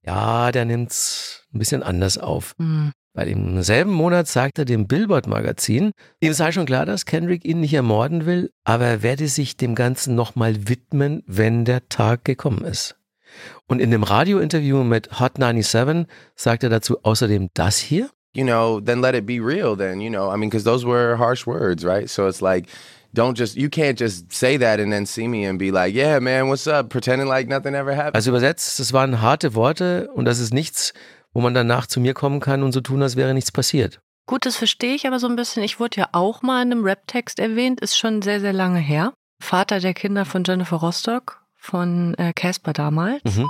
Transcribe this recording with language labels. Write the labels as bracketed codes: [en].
[de] Ja, der nimmt's ein bisschen anders auf. Bei demselben Monat sagt er dem Billboard-Magazin, ihm sei schon klar, dass Kendrick ihn nicht ermorden will, aber er werde sich dem Ganzen nochmal widmen, wenn der Tag gekommen ist. Und in dem Radio-Interview mit Hot 97 sagt er dazu außerdem das hier. [en] You know, then let it be real then, you know, I mean, because those were harsh words, right? So it's like, don't just, you can't just say that and then see me and be like, yeah, man, what's up, pretending like nothing ever happened. [de] Also übersetzt, das waren harte Worte und das ist nichts, wo man danach zu mir kommen kann und so tun, als wäre nichts passiert. Gut, das verstehe ich aber so ein bisschen. Ich wurde ja auch mal in einem Rap-Text erwähnt, ist schon sehr, sehr lange her. Vater der Kinder von Jennifer Rostock, von Casper damals.